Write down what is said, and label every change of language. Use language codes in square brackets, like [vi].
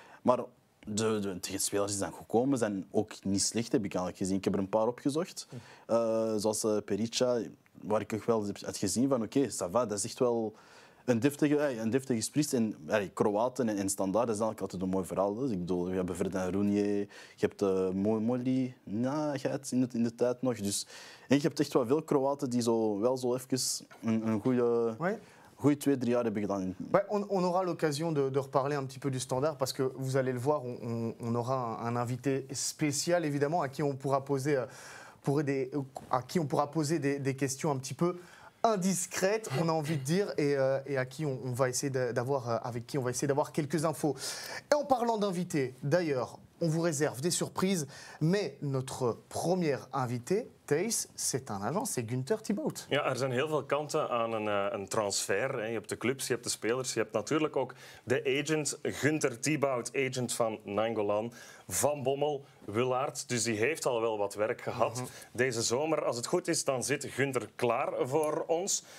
[nl] Maar de spelers die zijn gekomen zijn ook niet slecht, heb ik eigenlijk gezien. Ik heb er een paar opgezocht, zoals Perica, waar ik ook wel had gezien van oké, [fr] ça va, [nl] dat is echt wel een deftige sprits. En Kroaten en Standaard, dat is eigenlijk altijd een mooi verhaal. Dus ik bedoel, je hebt Verdun Rounier, je hebt Molly Nagat in de tijd nog. Dus, en je hebt echt wel veel Kroaten die wel even een goede... [fr] Ouais. Oui, 2-3 ans, j'ai gagné. Ouais, on aura l'occasion de reparler un petit peu du Standaard parce que vous allez le voir, on aura un invité spécial évidemment à qui on pourra poser des questions un petit peu indiscrètes, on a envie de dire, et à qui on va essayer d'avoir avec qui on va essayer d'avoir quelques infos. Et en parlant d'invités, d'ailleurs, on vous réserve des surprises, mais notre première invitée Thijs, c'est un agent, c'est Gunther Thibaut. [nl] Ja, er zijn heel veel kanten aan een transfer. Je hebt de clubs, je hebt de spelers, je hebt natuurlijk ook de agent, Gunther Thibaut, agent van Nainggolan, Van Bommel, Willaert. Dus die heeft al wel wat werk gehad deze zomer. Als het goed is, dan zit Gunther klaar voor ons.